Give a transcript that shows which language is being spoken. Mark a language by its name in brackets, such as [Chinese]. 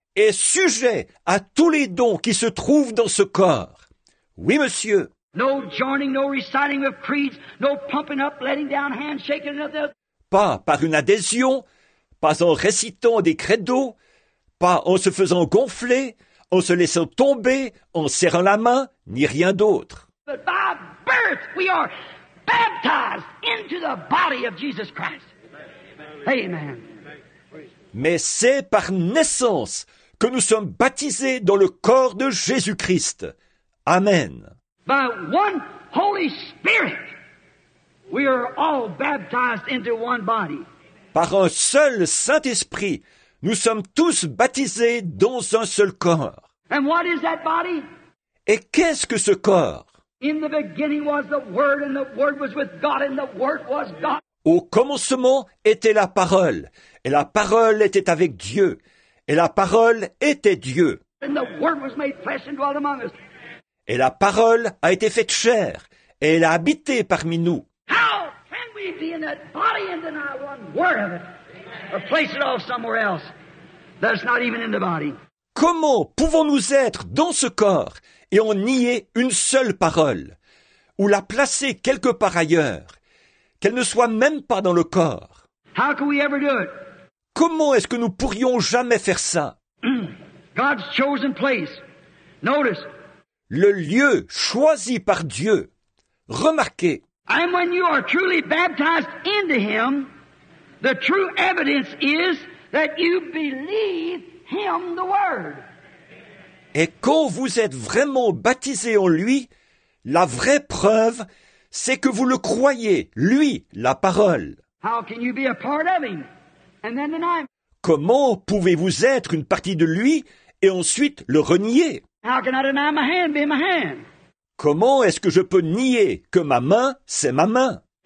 [French] Et sujet à tous les dons qui se trouvent dans ce corps. Oui, monsieur. [English] No joining, no reciting of creeds, no pumping up, letting down, handshaking of the... [French] Pas par une adhésion, pas en récitant des credos, pas en se faisant gonfler, en se laissant tomber, en serrant la main, ni rien d'autre. [English] But by birth, we are baptized into the body of Jesus Christ. Amen. Amen. [French] Mais c'est par naissance que nous sommes baptisés dans le corps de Jésus-Christ. Amen. [English] By one Holy Spirit, we are all baptized into one body. [French] Par un seul Saint-Esprit, nous sommes tous baptisés dans un seul corps. [English] And what is that body? [French] Et qu'est-ce que ce corps? [English] In the beginning was the Word, and the Word was with God, and the Word was God. [French] Au commencement était la parole, et la parole était avec Dieu, et la parole était Dieu. [English] And the Word was made flesh and dwelt among us. [French] Et la parole a été faite chair, et elle a habité parmi nous. [English] How can we be in that body and deny one word of it? Or place it all somewhere else that's not even in the body? [French] Comment pouvons-nous être dans ce corps et en nier une seule parole, ou la placer quelque part ailleurs, qu'elle ne soit même pas dans le corps? [English] How can we ever do it? [French] Comment est-ce que nous pourrions jamais faire ça? [English] God's chosen place. Notice. [French] Le lieu choisi par Dieu. Remarquez. [English] And when you are truly baptized into Him, the true evidence is that you believe Him the Word. [French] Et quand vous êtes vraiment baptisé en Lui, la vraie preuve, c'est que vous le croyez, Lui, la parole. [English] How can you be a part of Him? And then deny Him? [French] Comment pouvez-vous être une partie de Lui et ensuite le renier? [English] How can I deny my hand being my hand? [French] Comment est-ce que je peux nier que ma main, c'est ma main?